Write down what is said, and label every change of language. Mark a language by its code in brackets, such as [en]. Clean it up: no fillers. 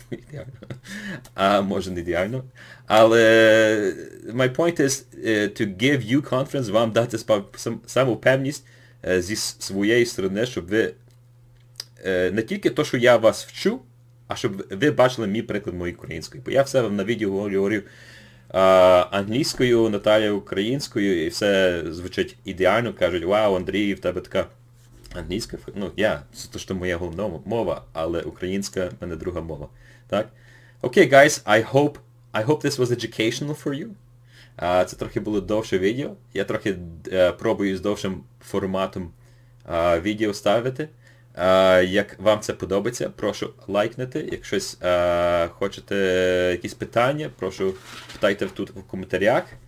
[uk] Ідеально. А може не ідеально. Але [en] my point is to give you confidence, [uk] вам дати самовпевність зі своєї сторони, щоб ви не тільки то, що я вас вчу, а щоб ви бачили мій приклад моєї української. Бо я все вам на відео говорю англійською, Наталія українською, і все звучить ідеально. Кажуть, вау, Андрій, в тебе така англійська. Ну, я, це то, що моя головна мова, але українська в мене друга мова. Так? [en] Окей, okay, guys, I hope this was educational for you. [uk] Це трохи було довше відео. Я трохи пробую з довшим форматом відео ставити. Як вам це подобається, прошу лайкнути. Якщо хочете якісь питання, прошу питайте тут в коментарях.